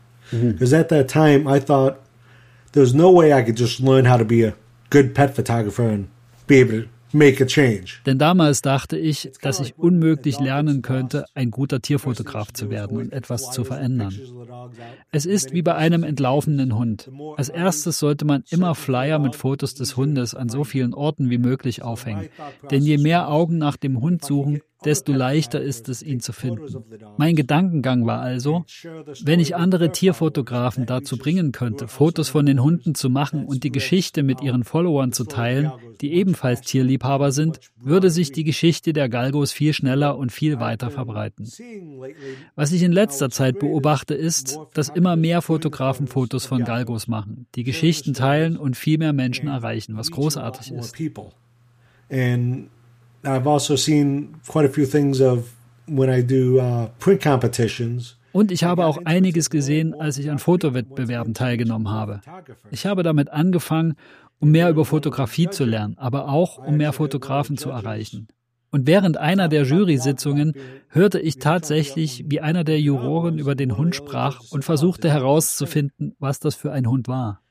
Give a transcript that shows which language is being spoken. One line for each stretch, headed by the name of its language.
English: Because at that time I thought there was no way I could just learn how to be a good pet photographer and be able to make a change.
German: Denn damals dachte ich, dass ich unmöglich lernen könnte, ein guter Tierfotograf zu werden und etwas zu verändern. Es ist wie bei einem entlaufenden Hund. Als erstes sollte man immer Flyer mit Fotos des Hundes an so vielen Orten wie möglich aufhängen. Denn je mehr Augen nach dem Hund suchen, desto leichter ist es, ihn zu finden. Mein Gedankengang war also, wenn ich andere Tierfotografen dazu bringen könnte, Fotos von den Hunden zu machen und die Geschichte mit ihren Followern zu teilen, die ebenfalls Tierliebhaber sind, würde sich die Geschichte der Galgos viel schneller und viel weiter verbreiten. Was ich in letzter Zeit beobachte, ist, dass immer mehr Fotografen Fotos von Galgos machen, die Geschichten teilen und viel mehr Menschen erreichen, was großartig ist.
English: I've also seen quite a few things of when I do print competitions.
German: Und ich habe auch einiges gesehen, als ich an Fotowettbewerben teilgenommen habe. Ich habe damit angefangen, um mehr über Fotografie zu lernen, aber auch um mehr Fotografen zu erreichen. Und während einer der Jury-Sitzungen hörte ich tatsächlich, wie einer der Juroren über den Hund sprach und versuchte herauszufinden, was das für ein Hund war.